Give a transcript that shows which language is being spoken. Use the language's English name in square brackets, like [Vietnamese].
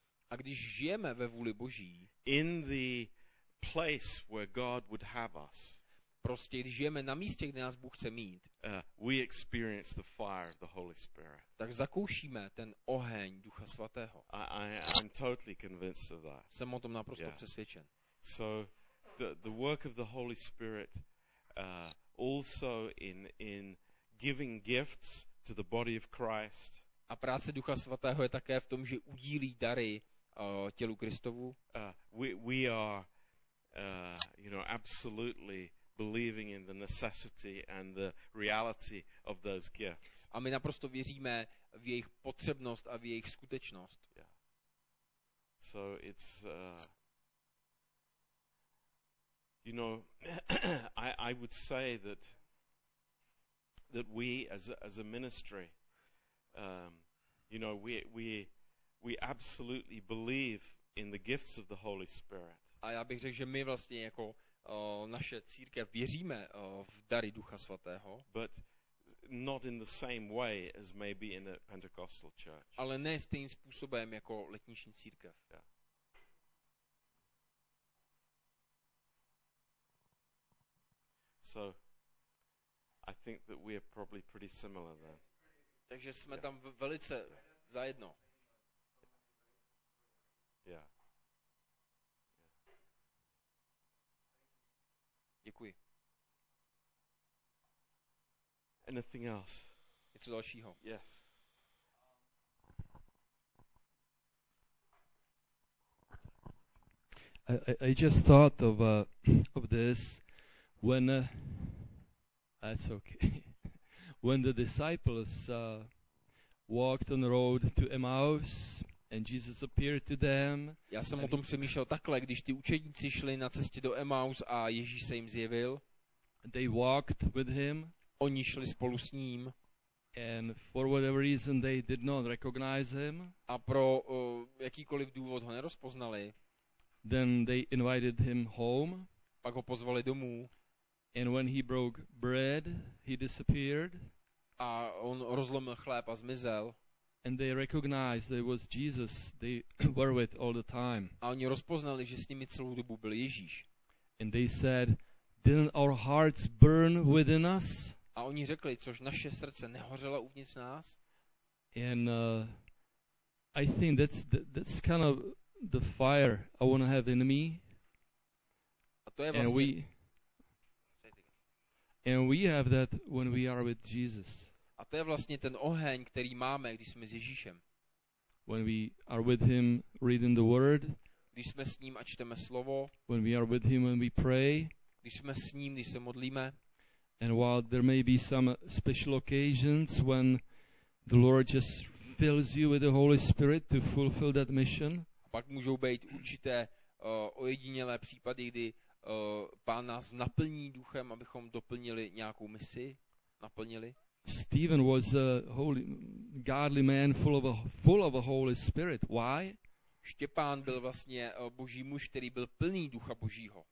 [Czech] a když žijeme ve vůli Boží, [English] in the place where God would have us, [Czech] prostě když žijeme na místě, kde nás Bůh chce mít, [English] we experience the fire of the Holy Spirit. [Czech] Tak zakoušíme ten oheň Ducha Svatého. [English] I'm totally convinced of that. [Czech] Jsem o tom naprosto přesvědčen. [English] So the work of the Holy Spirit also in giving gifts to the body of Christ. [Czech] A práce Ducha Svatého je také v tom, že udílí dary tělu Kristovu. [English] We are you know, absolutely believing in the necessity and the reality of those gifts. [Czech] A my naprosto věříme v jejich potřebnost a v jejich skutečnost. [English] Yeah. So it's you know, I would say that we as a ministry, you know, we absolutely believe in the gifts of the Holy Spirit. [Czech] A já bych řekl, že my vlastně jako naše církev věříme v dary Ducha Svatého. [English] But not in the same way as maybe in a Pentecostal church. [Czech] Ale ne stejným způsobem jako letniční církev. [English] Yeah. So I think that we are probably pretty similar then. [Czech] Takže jsme tam velice zajedno. [English] Yeah. [Czech] Děkuji. [English] Anything else? [Czech] Něco dalšího? [English] Yes. I just thought of this. When that's okay. When the disciples walked on the road to Emmaus and Jesus appeared to them. [Czech] Já jsem o tom přemýšlel takhle, když ty učedníci šli na cestě do Emmaus a Ježíš se jim zjevil. [English] They walked with him. [Czech] Oni šli spolu s ním. [English] And for whatever reason they did not recognize him. [Czech] A pro jakýkoliv důvod ho nerozpoznali. [English] Then they invited him home. [Czech] Pak ho pozvali domů. [English] And when he broke bread, he disappeared. [Czech] A on rozlomil chléb a zmizel. [English] And they recognized that it was Jesus they were with all the time. [Czech] A oni rozpoznali, že s nimi celou dobu byl Ježíš. [English] And they said, didn't our hearts burn within us? [Czech] A oni řekli, což naše srdce nehořelo uvnitř nás? [English] And I think that's kind of the fire I want to have in me. [Czech] A to je vlastně. [English] And we have that when we are with Jesus. [Czech] A to je vlastně ten oheň, který máme, když jsme s Ježíšem. [English] When we are with him reading the word. [Czech] Když jsme s ním a čteme slovo. [English] When we are with him when we pray. [Czech] Když jsme s ním, když se modlíme. [English] And while there may be some special occasions when the Lord just fills you with the Holy Spirit to fulfill that mission. [Czech] A pak můžou být určité ojedinělé případy, kdy Pán nás naplní duchem, abychom doplnili nějakou misi, naplnili. [English] Stephen was a holy, godly man full of a Holy Spirit. Why? [Czech] Štěpán byl vlastně boží muž, který byl plný ducha božího.